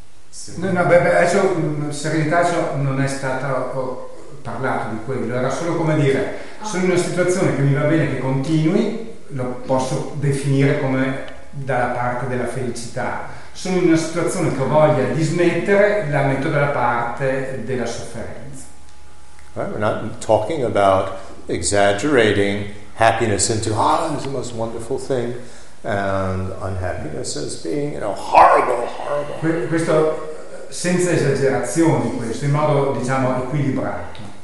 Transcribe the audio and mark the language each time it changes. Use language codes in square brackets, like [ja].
[it] serenità, cioè, non è stato parlato di quello, era solo come dire, sono in una situazione che mi va bene che continui, lo posso definire come dalla parte della felicità. Sono in una situazione che ho voglia di smettere, la metto dalla parte della sofferenza. [en] Right, we're not talking about exaggerating happiness into, ah, it's the most wonderful thing, and unhappiness as being, you know, horrible. [it] Questo senza esagerazioni, questo in modo, diciamo, equilibrato.